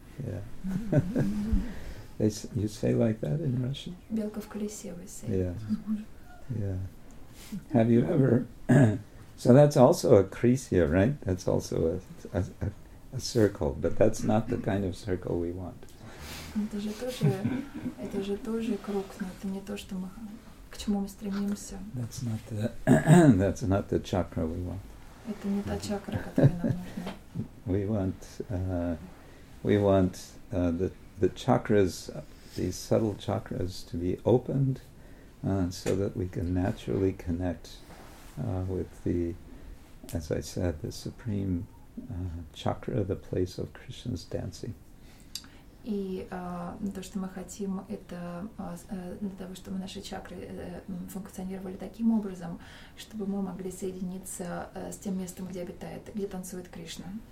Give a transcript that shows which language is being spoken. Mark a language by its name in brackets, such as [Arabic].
[English] Yeah. They you say like that in Russian? [Russian] Белка в колесе, [English] we say. Yeah. Have you ever? So that's also a krisya, right? That's also a circle, but that's not the kind of circle we want. [Russian] Это же тоже круг, но это не то, что мы к чему мы стремимся. [English] That's not the that's not the chakra we want. [Russian] Это не та чакра, которая нам нужна. [English] We want the chakras, these subtle chakras, to be opened, so that we can naturally connect with the, as I said, the supreme chakra, the place of Krishna's dancing. [Russian] И то, что мы хотим, это для того, чтобы наши чакры функционировали таким образом, чтобы мы могли соединиться с тем местом, где обитает, где танцует Кришна.